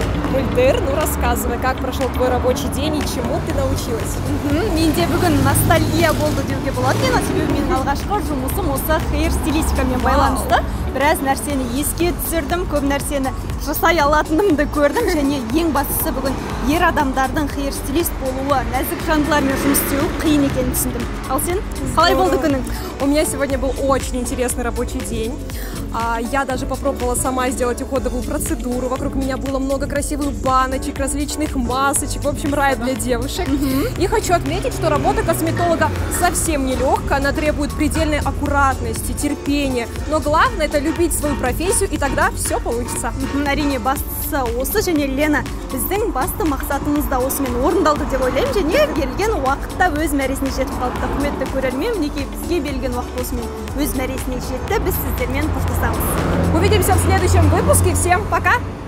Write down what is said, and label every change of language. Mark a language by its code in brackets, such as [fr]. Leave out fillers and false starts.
[ru] Мульдер, ну рассказывай, как прошел твой рабочий день и чему ты научилась? [kk] Менде бүгін ностальгия болды деуге болады, [ru] но себе [kk] мен алғашқы жұмысым осы хейр стилистикамен байланысты. Біраз нәрсені еске түсірдім, көп нәрсені жасай алатынымды көрдім, және ең бастысы бүгін ер адамдардың хейр стилист болуы, нәзік жандылармен жұмыс істеу қиын екенін түсіндім. Ал сен, қалай болды күнің? [ru] У меня сегодня был очень интересный рабочий день. Я даже попробовала сама сделать уходовую процедуру. Вокруг меня было много красивых баночек, различных масочек. В общем, рай для девушек. И хочу отметить, что работа косметолога совсем не легкая. Она требует предельной аккуратности, терпения. Но главное – это любить свою профессию, и тогда все получится. [kk] Арине, бастысы осы, және Лена, біздің басты мақсатымызда осымен орындалды деп ойлаймын, және келген уақытта өз мәресіне жетіп қалды. Құрметті көрермен, мінекей бізге белген уақыт осымен өз мәресіне жетті, біз сіздермен құттықтаймыз. [ru] Увидимся в следующем выпуске. Всем пока!